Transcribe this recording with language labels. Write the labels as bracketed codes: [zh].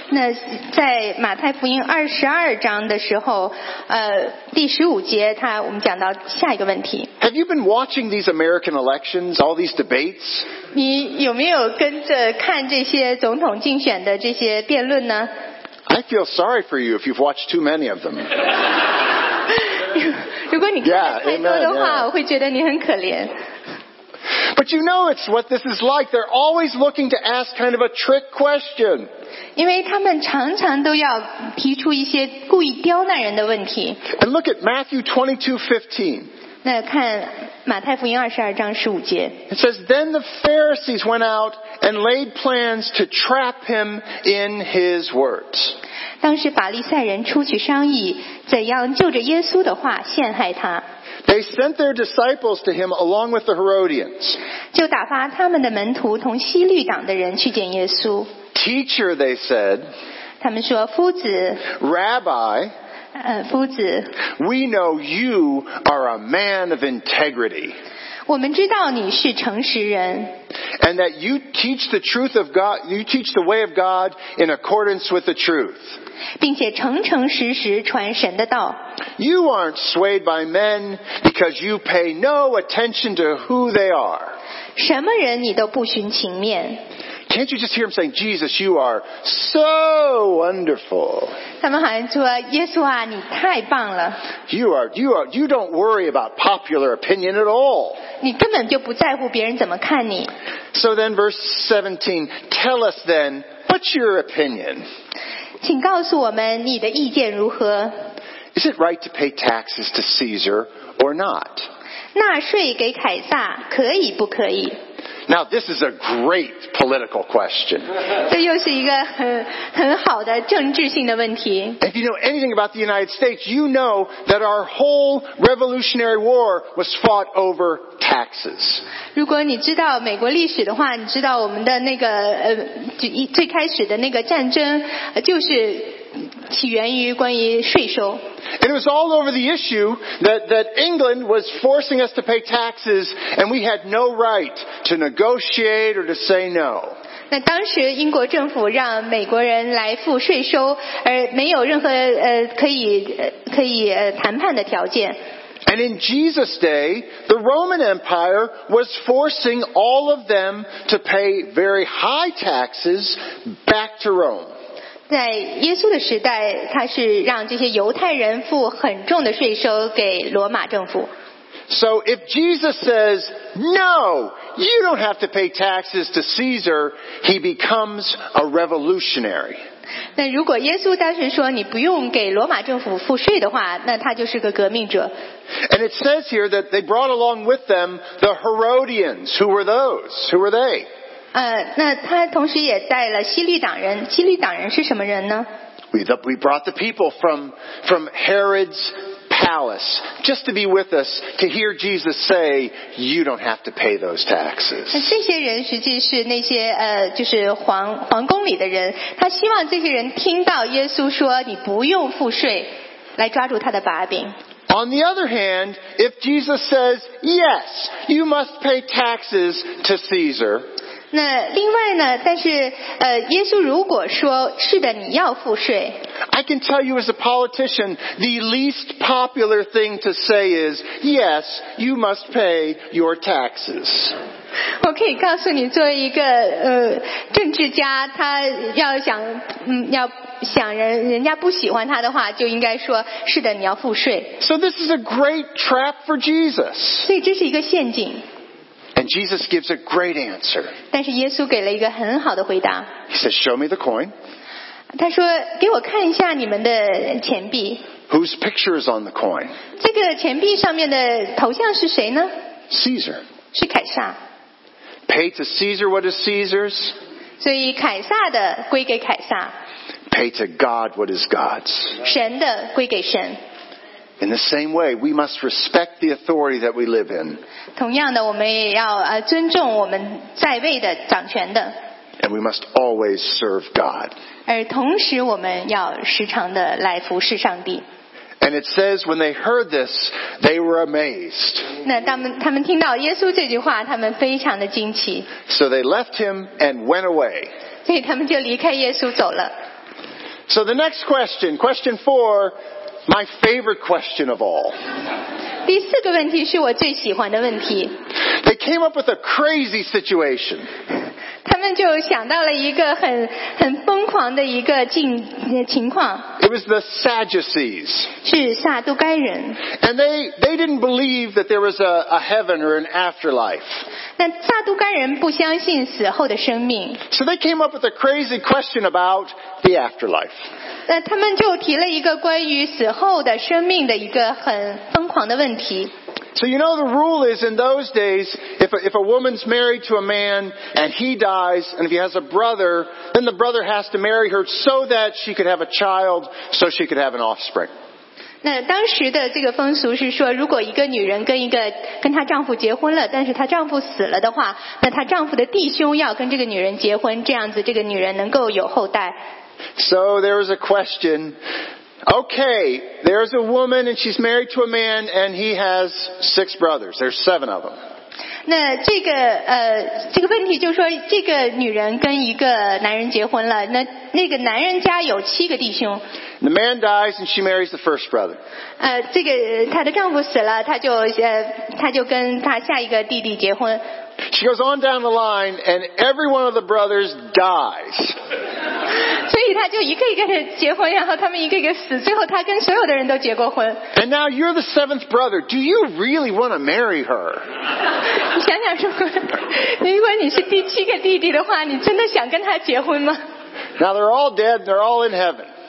[zh] 那在马太福音二十二章的时候，第十五节他我们讲到下一个问题。 [en] Have you been watching these American elections, all these debates? [zh] 你有没有跟着看这些总统竞选的这些辩论呢 [en] ？I feel sorry for you if you've watched too many of them. [zh] 如果你看太多的话 [en] yeah, amen, yeah. [zh] 我会觉得你很可怜。 [en] But you know it's what this is like. They're always looking to ask kind of a trick question. [zh] 因为他们常常都要提出一些故意刁难人的问题。 [en] And look at Matthew 22:15. [zh] 那看马太福音二十二章十五节。 [en] It says, Then the Pharisees went out and laid plans to trap him in his words. [zh] 当时法利赛人出去商议怎样就着耶稣的话陷害他。 [en] They sent their disciples to him along with the Herodians. [zh] 就打发他们的门徒同希律党的人去见耶稣。 [en] Teacher, they said. [zh] 他们说夫子。 [en] Rabbi. [zh] 夫子。 [en] We know you are a man of integrity. [zh] 我们知道你是诚实人。 [en] And that you teach the truth of God, you teach the way of God in accordance with the truth. [zh] 并且诚诚实实传神的道。 [en] You aren't swayed by men because you pay no attention to who they are. [zh] 什么人你都不寻情面。 [en] Can't you just hear him saying, Jesus, you are so wonderful. [zh] 他们好像说，耶稣啊，你太棒了。 [en] You don't worry about popular opinion at all. [zh] 你根本就不在乎别人怎么看你。 [en] So then verse 17, tell us then, what's your opinion? [zh] 请告诉我们你的意见如何。 [en] Is it right to pay taxes to Caesar or not? [zh] 纳税给凯撒可以不可以？ [en] Now this is a great political question. [zh] 这又是一个很好的政治性的问题。 [en] If you know anything about the United States, you know that our whole Revolutionary War was fought over taxes. [zh] 如果你知道美国历史的话，你知道我们的那个最开始的那个战争就是起源于关于税收。 [en] And it was all over the issue that England was forcing us to pay taxes, and we had no right to negotiate or to say no. [zh] 那当时英国政府让美国人来付税收，而没有任何可以谈判的条件。 [en] And in Jesus' day, the Roman Empire was forcing all of them to pay very high taxes back to Rome. [zh] 在耶稣的时代，他是让这些犹太人付很重的税收给罗马政府。 [en] So if Jesus says, no, you don't have to pay taxes to Caesar, he becomes a revolutionary. [zh] 那如果耶稣当时说你不用给罗马政府付税的话，那他就是个革命者。 [en] And it says here that they brought along with them the Herodians. Who were those? Who were they? [zh] 那他同时也带了希律党人。希律党人是什么人呢？ [en] We brought the people from Herod's palace just to be with us to hear Jesus say, "You don't have to pay those taxes." [zh] 这些人实际是那些就是皇宫里的人。他希望这些人听到耶稣说你不用付税，来抓住他的把柄。 [en] On the other hand, if Jesus says, "Yes, you must pay taxes to Caesar." [zh] 那另外呢，但是耶稣如果说是的，你要付税。 [en] I can tell you as a politician, the least popular thing to say is, yes, you must pay your taxes. [zh] 我可以告诉你，作为一个政治家，他要想要想人家不喜欢他的话，就应该说是的，你要付税。 [en] So this is a great trap for Jesus. [zh] 所以这是一个陷阱。 [en] And Jesus gives a great answer. [zh] 但是耶稣给了一个很好的回答。 [en] He says, "Show me the coin." [zh] 他说，给我看一下你们的钱币。 [en] Whose picture is on the coin? [zh] 这个钱币上面的头像是谁呢？ [en] Caesar. [zh] 是凯撒。 [en] Pay to Caesar what is Caesar's. [zh] 所以凯撒的归给凯撒。 [en] Pay to God what is God's. [zh] 神的归给神。 [en] In the same way, we must respect the authority that we live in. [zh] 同样的，我们也要尊重我们在位的掌权的。 [en] And we must always serve God. [zh] 而同时，我们要时常的来服侍上帝。 [en] And it says, when they heard this, they were amazed. [zh] 那他们听到耶稣这句话，他们非常的惊奇。 [en] So they left him and went away. [zh] 所以他们就离开耶稣走了。 [en] So the next question, question four. My favorite question of all. [zh] 第四个问题是我最喜欢的问题。 [en] They came up with a crazy situation. [zh] 他们就想到了一个很疯狂的一个情况。 [en] It was the Sadducees. [zh] 是撒都该人。 [en] And they didn't believe that there was a heaven or an afterlife. [zh] 那撒都该人不相信死后的生命。 [en] So they came up with a crazy question about the afterlife. [zh] 那他们就提了一个关于死后的生命的一个很疯狂的问题。 [en] So you know the rule is in those days, if a woman's married to a man and he dies, and if he has a brother, then the brother has to marry her so that she could have a child, so she could have an offspring. [zh] 那当时的这个风俗是说，如果一个女人跟她丈夫结婚了，但是她丈夫死了的话，那她丈夫的弟兄要跟这个女人结婚，这样子这个女人能够有后代。 [en] So there was a question. Okay, there's a woman and she's married to a man and he has six brothers. There's seven of them. [zh] 那这个这个问题就是说，这个女人跟一个男人结婚了，那个男人家有七个弟兄。 [en] The man dies and she marries the first brother. [zh] 这个她的丈夫死了，她就跟她下一个弟弟结婚。 [en] She goes on down the line, and every one of the brothers dies. [zh] 所以她就一个一个结婚，然后他们一个一个死，最后她跟所有的人都结过婚。 [en] And now you're the seventh brother. Do you really want to marry her? [zh] 你想想，如果你是第七个弟弟的话，你真的想跟她结婚吗？ [en] Now they're all dead. They're all in heaven.